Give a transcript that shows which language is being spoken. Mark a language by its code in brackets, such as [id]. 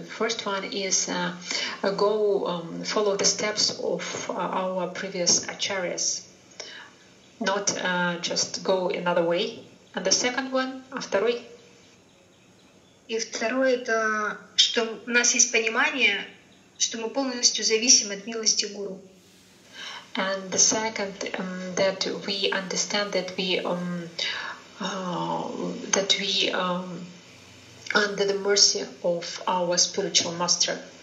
[en] First one is follow the steps of our previous acharyas, not just go another way. And the second one, [ru] второй. И второе это что у нас есть понимание, что мы полностью зависим от милости гуру. [en] And the second that we understand that we under the mercy of our spiritual master.